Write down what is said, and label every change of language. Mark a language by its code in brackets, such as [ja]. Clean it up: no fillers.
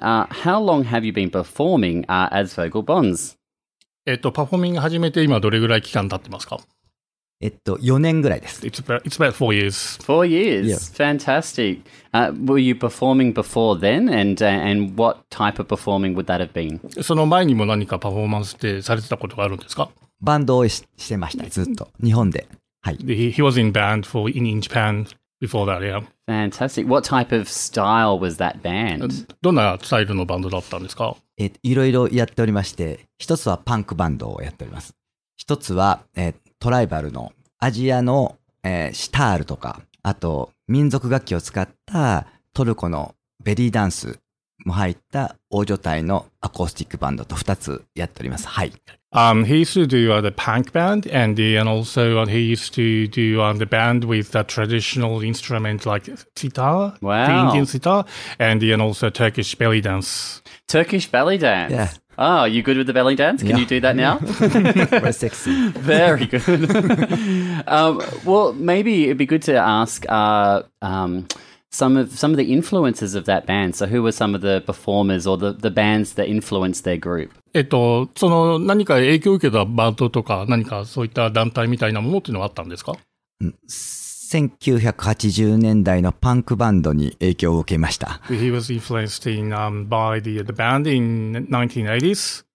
[en] How long have you been performing as Vogel Bonds? [ja] Performing 始めて今どれぐらい期間経ってますか? 4年ぐらいです。 [en] It's about 4 years. 4 years. Yeah. Fantastic. Were you performing before then? And what type of performing would that have been? [ja] その前にも何かパフォーマンスってされてたことがあるんですか? バンドをしてました。ずっと。日本で。はい。 [en] He was in band in Japan before that, yeah. Fantastic. What type of style was that band? [ja] どんなスタイルのバンドだったんですか? いろいろやっておりまして、一つはパンクバンドをやっております。一つは、トライバルのアジアの、シタールとか、あと民族楽器を使ったトルコのベリーダンスも入った王女隊のアコースティックバンドと2つやっております。はい。 [en] He used to do the punk band and also he used to do the band with the traditional instrument like sitar, the Indian sitar, and also Turkish belly dance. Turkish belly dance. Yeah. Oh, are you good with the belly dance? Can you do that now? Very sexy. Very good. well, maybe it'd be good to ask some of the influences of that band. So who were some of the performers or the bands that influenced their group? [ja] その何か影響を受けたバンドとか何かそういった団体みたいなものっていうのはあったんですか? 1980年代のパンクバンドに影響を受けました。 [en] He was influenced in, by the band in 1980s.